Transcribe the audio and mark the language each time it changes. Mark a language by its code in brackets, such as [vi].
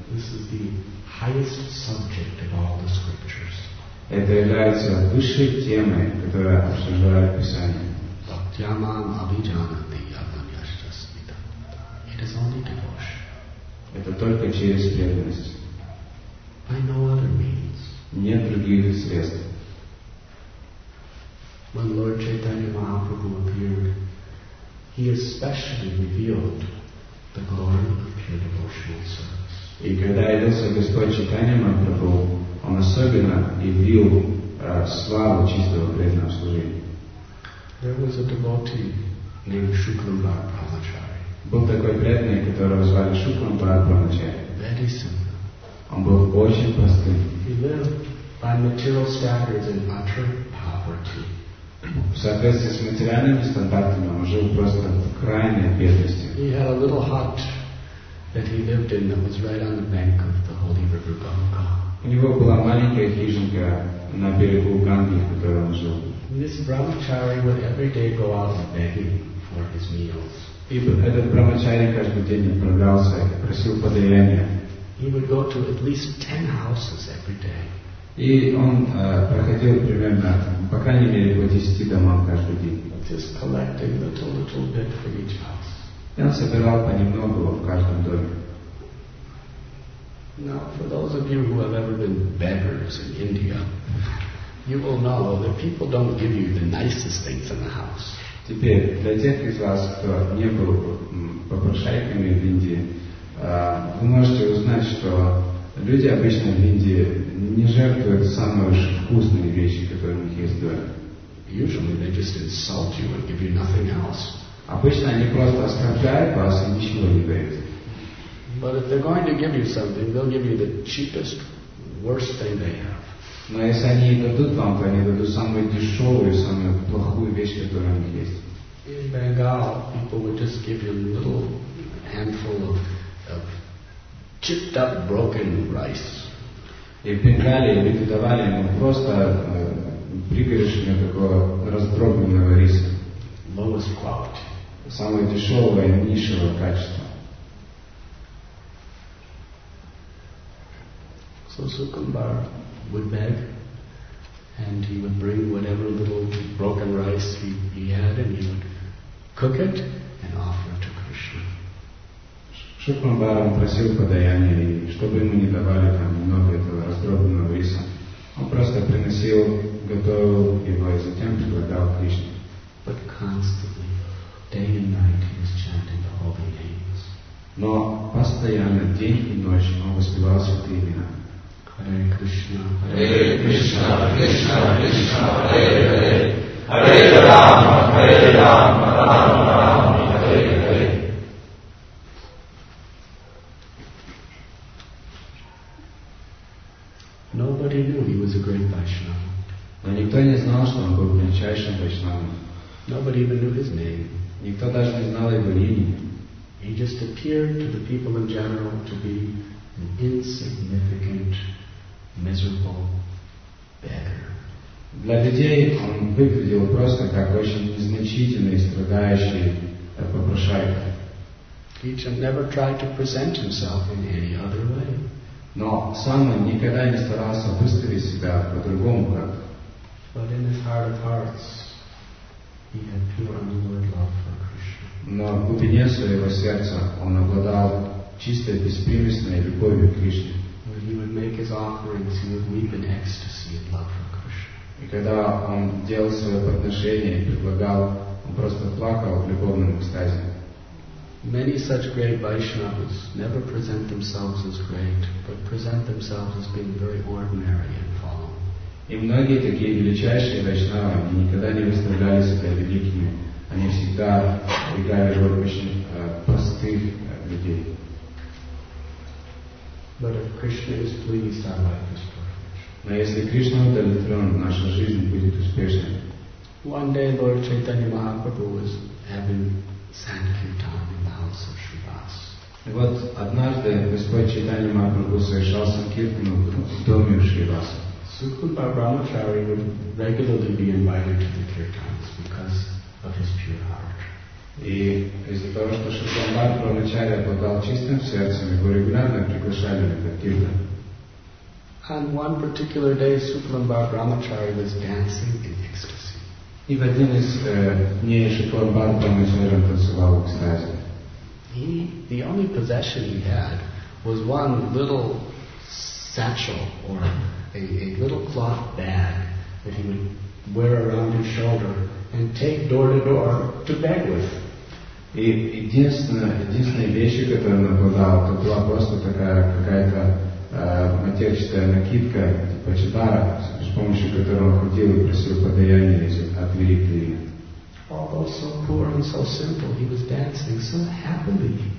[en] This is the highest subject of all the scriptures. [ru] Это является высшей темой, которая обсуждает Писание. [sa] Бхактьямам абиджанати ямам яшча смитам. [en] It is only devotion. [ru] Это только через преданность. [en] By no other means. [ru] Нет других средств. [en] When Lord Chaitanya Mahaprabhu appeared, he especially revealed the glory of pure devotional service. [ru] И когда явился Господь Чайтанья Махапрабху, он особенно явил славу чистого преданного служения. [en] There was a devotee named Shukrambar Brahmachari. [ru] Был такой преданный, которого звали Шукрамбар Брахмачари. [en] Very simple. [ru] Он был очень простым. [en] He lived by material standards in utter poverty. [ru] В соответствии с материальными стандартами он жил просто в крайней бедности. [en] He had a little hut that he lived in that was right on the bank of the holy river Ganga. [ru] У него была маленькая хижинка на берегу Ганги, в которой он жил. [en] This Brahmachari would every day go out begging for his meals. [ru] И этот Брахмачари каждый день отправлялся и просил подаяния. [en] He would go to at least 10 houses every day. [ru] И он проходил примерно, по крайней мере, по 10 домам каждый день. [en] Just collecting little bit for each house. [ru] И он собирал понемногу в каждом доме. [en] Now, for those of you who have ever been beggars in India, you will know that people don't give you the nicest things in the house. [ru] Теперь, для тех из вас, кто не был попрошайками в Индии, вы можете узнать, что люди обычно в Индии не жертвуют самые вкусные вещи, которые у них есть дома. [en] Usually they just insult you and give you nothing else. [ru] Обычно они просто оскорбляют вас и ничего не дают. [en] But if they're going to give you something, they'll give you the cheapest, worst thing they have. [ru] Но если они дадут вам, то они дадут самую дешевую, самую плохую вещь, которая у них есть. [en] In Bengal, people would just give you a little handful of chipped up, broken rice. [ru] И в Бенгалии люди давали ему просто пригоршню такого раздробленного риса. [en] Lowest quality. [ru] Самого дешевого и низшего качества. [en] So Sukumbar would beg, and he would bring whatever little broken rice he had, and he would cook it and offer it to Krishna. [ru] Шукамбар просил подаяния, и чтобы ему не давали там много этого раздробленного риса, он просто приносил, готовил его, и затем предлагал Кришне. [en] But constantly, day and night, he was chanting the holy names. [ru] Но постоянно, день и ночь, он воспевал святые имена. [sa] Hare Krishna, Hare Krishna, Krishna Krishna, Hare Hare, Hare Rama, Hare Rama, Rama Rama, Hare Hare. [en] Nobody knew he was a great Vaishnava. [ru] Но никто не знал, что он был величайшим Вайшнавом. [en] Nobody even knew his name. [ru] Никто даже не знал его имени. [en] He just appeared to the people in general to be an insignificant, miserable beggar. [ru] Для людей он выглядел просто как очень незначительный, страдающий попрошайка. [en] He had never tried to present himself in any other way. [ru] Но сам он никогда не старался выставить себя по-другому как-то. [en] But in his heart of hearts, he had pure unalloyed love for Krishna. [ru] Но в глубине своего сердца он обладал чистой, беспримесной любовью к Кришне. [en] When he would make his offerings, he would weep in ecstasy at love for Krishna. [ru] И когда он делал свое подношение и предлагал, он просто плакал в любовном экстазе. [en] Many such great Vaishnavas never present themselves as great, but present themselves as being very ordinary and fallen. [ru] И многие такие величайшие Вайшнавы, они никогда не выставляли себя великими. Они всегда играли роль очень простых людей. [en] But if Krishna is pleased, our life is perfect. [ru] Но если Кришна удовлетворен, наша жизнь будет успешной. [en] One day Lord Chaitanya Mahaprabhu was having Sankirtan in the house of Shri Vas. [ru] И вот однажды Господь Чайтанья Махапрабху совершал санкиртану в доме Шри Вас. [en] Сукхупад Брамачари would regularly be invited to the kirtans because of his pure heart. [ru] И из-за того, что Сукхупад Брамачари обладал чистым сердцем, его регулярно приглашали на кирта. [en] And one particular day Сукхупад Брамачари was dancing in ecstasy. [ru] И в один из дней Шипурбан Брамачари танцевал в экстазе. [en] The only possession he had was one little satchel or a little cloth bag that he would wear around his shoulder and take door to door to beg with. [ru] И единственная вещь, которую он обладал, это была просто такая какая-то матерчатая накидка, типа чедара, с помощью которого ходил и просил подаяния от великой. [en] Although so poor and so simple, he was dancing so happily.